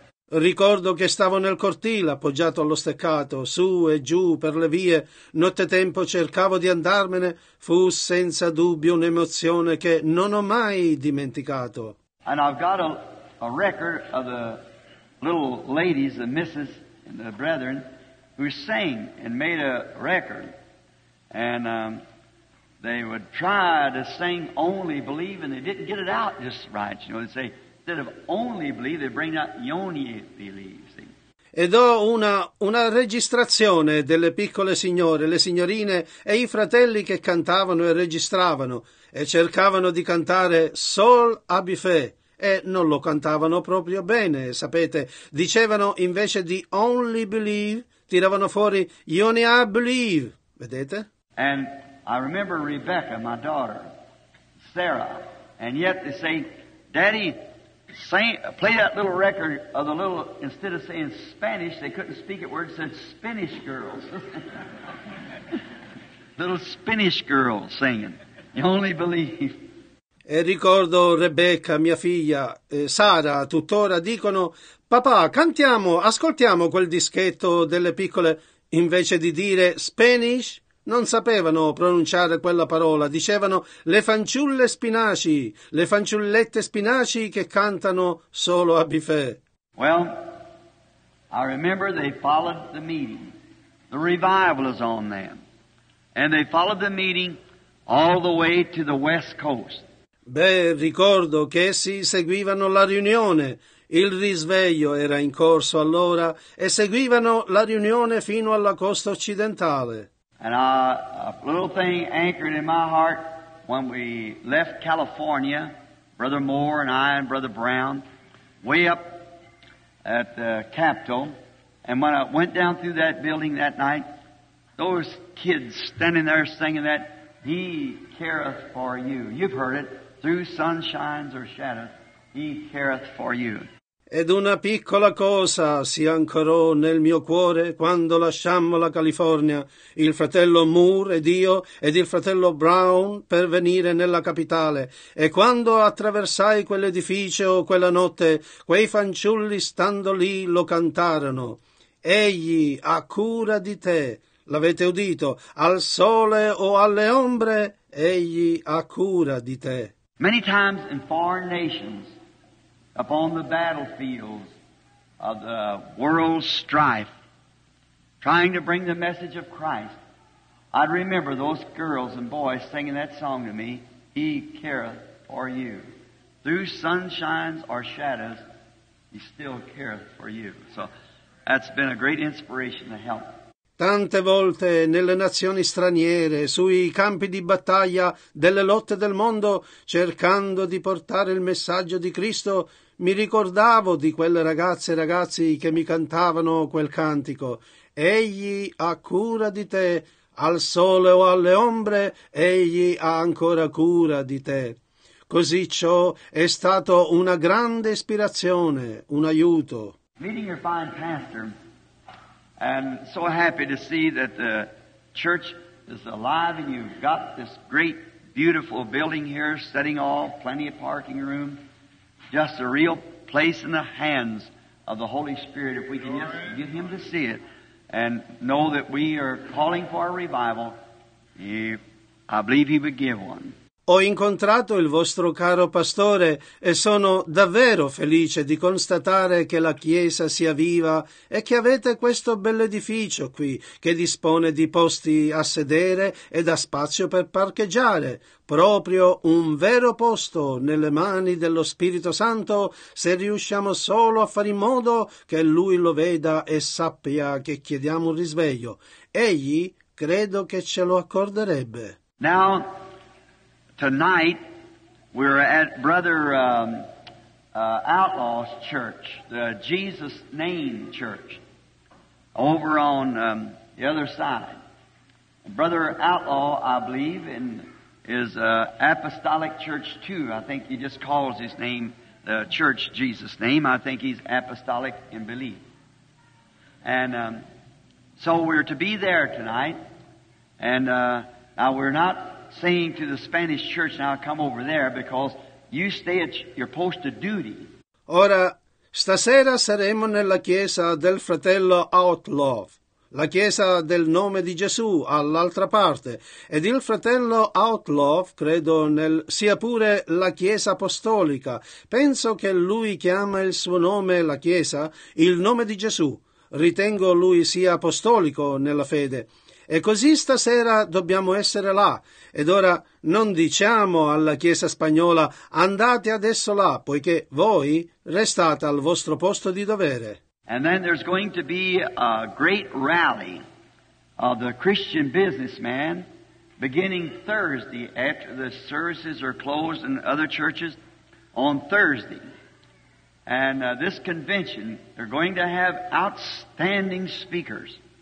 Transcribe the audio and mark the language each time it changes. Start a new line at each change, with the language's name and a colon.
Italian: Ricordo che stavo nel cortile, appoggiato allo steccato, su e giù per le vie, nottetempo cercavo di andarmene, fu senza dubbio un'emozione che non ho mai dimenticato.
English: And I've got a record of the little ladies, the misses, and the brethren, who sang and made a record. And they would try to sing only believe, and they didn't get it out just right. You know, they'd say, instead of only believe, they bring out yoni believe. See?
Italian: Ed ho una registrazione delle piccole signore, le signorine e i fratelli che cantavano e registravano e cercavano di cantare sol abife. E non lo cantavano proprio bene, sapete, dicevano invece di
English: only believe,
Italian: tiravano fuori
English: yoni I believe,
Italian: vedete?
English: And I remember Rebecca, my daughter, Sarah, and yet they say, Daddy, sing, play that little record of the little, instead of saying Spanish, they couldn't speak it word, said Spanish girls. Little Spanish girls singing, you only believe.
Italian: E ricordo Rebecca, mia figlia, Sara, tuttora dicono, papà, cantiamo, ascoltiamo quel dischetto delle piccole, invece di dire Spanish, non sapevano pronunciare quella parola, dicevano le fanciulle spinaci, le fanciullette spinaci che cantano solo a buffet.
English: Well, I remember they followed the meeting. The revival is on them. And they followed the meeting all the way to the west coast.
Italian: Beh, ricordo che essi seguivano la riunione, il risveglio era in corso allora, e seguivano la riunione fino alla costa occidentale.
English: And a little thing anchored in my heart when we left California, Brother Moore and I and Brother Brown, way up at the Capitol, and when I went down through that building that night, those kids standing there singing that, He careth for you, you've heard it. Through sunshines or shadows, He careth for you.
Italian: Ed una piccola cosa si ancorò nel mio cuore quando lasciammo la California, il fratello Moore ed io ed il fratello Brown per venire nella capitale. E quando attraversai quell'edificio quella notte, quei fanciulli stando lì lo cantarono. Egli ha cura di te. L'avete udito? Al sole o alle ombre, egli ha cura di te.
English: Many times in foreign nations, upon the battlefields of the world's strife, trying to bring the message of Christ, I'd remember those girls and boys singing that song to me, He careth for you. Through sunshines or shadows, He still careth for you. So that's been a great inspiration to help.
Italian: Tante volte nelle nazioni straniere, sui campi di battaglia delle lotte del mondo, cercando di portare il messaggio di Cristo, mi ricordavo di quelle ragazze e ragazzi che mi cantavano quel cantico. Egli ha cura di te, al sole o alle ombre, egli ha ancora cura di te. Così ciò è stato una grande ispirazione, un aiuto.
English: Meeting your fine pastor. And so happy to see that the church is alive and you've got this great, beautiful building here, setting off, plenty of parking room. Just a real place in the hands of the Holy Spirit, if we can just get Him to see it and know that we are calling for a revival, I believe He would give one.
Italian: Ho incontrato il vostro caro pastore e sono davvero felice di constatare che la Chiesa sia viva e che avete questo bell'edificio qui che dispone di posti a sedere e da spazio per parcheggiare. Proprio un vero posto nelle mani dello Spirito Santo se riusciamo solo a fare in modo che Lui lo veda e sappia che chiediamo un risveglio. Egli credo che ce lo accorderebbe.
English: Now. Tonight, we're at Brother Outlaw's church, the Jesus Name Church, over on the other side. Brother Outlaw, I believe, is an apostolic church too. I think he just calls his name the church Jesus Name. I think he's apostolic in belief. And so we're to be there tonight, and now we're not saying to the Spanish church, now come over there because you stay at your post of duty.
Italian: Ora Stasera saremo nella chiesa del fratello Outlove, la chiesa del nome di Gesù all'altra parte, ed il fratello Outlove, credo sia pure la chiesa apostolica, penso che lui chiama il suo nome la chiesa, il nome di Gesù, ritengo lui sia apostolico nella fede. E così stasera dobbiamo essere là. Ed ora non diciamo alla Chiesa spagnola andate adesso là, poiché voi restate al vostro posto di dovere.
English: And then there's going to be a great rally of the Christian businessmen beginning Thursday after the services are closed in other churches on Thursday. And this convention, they're going to have outstanding speakers.